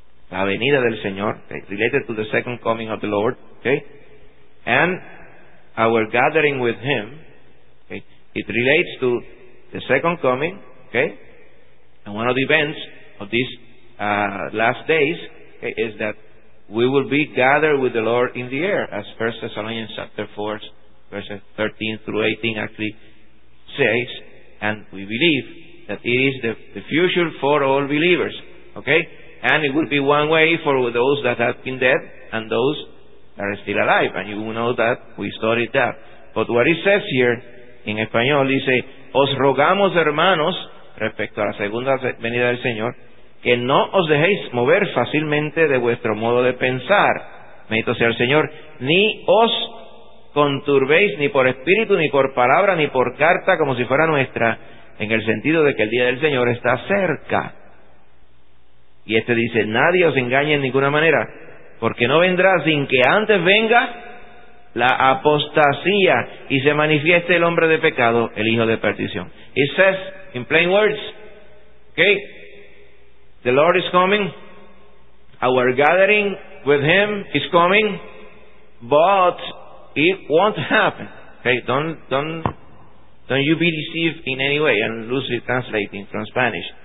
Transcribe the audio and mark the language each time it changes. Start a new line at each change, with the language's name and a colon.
Spanish: la venida del Señor,
English: okay, related to the second coming of the Lord, okay, and our gathering with Him, okay, it relates to the second coming, okay, and one of the events of these last days, okay, is that we will be gathered with the Lord in the air, as 1 Thessalonians chapter 4, verses 13 through 18 actually says, and we believe that it is the future for all believers. Okay? And it will be one way for those that have been dead and those that are still alive. And you know that we studied that. But what it says here in
Spanish: español, dice, os rogamos, hermanos, respecto a la segunda venida del Señor, que no os dejéis mover fácilmente de vuestro modo de pensar, bendito sea el Señor, ni os conturbéis ni por espíritu, ni por palabra, ni por carta, como si fuera nuestra, en el sentido de que el día del Señor está cerca. Y este dice, nadie os engañe en ninguna manera, porque no vendrá sin que antes venga la apostasía y se manifieste el hombre de pecado, el hijo de perdición.
English: It says, in plain words, okay, the Lord is coming, our gathering with Him is coming, but it won't happen. Okay, don't you be deceived in any way, and loosely translating from Spanish.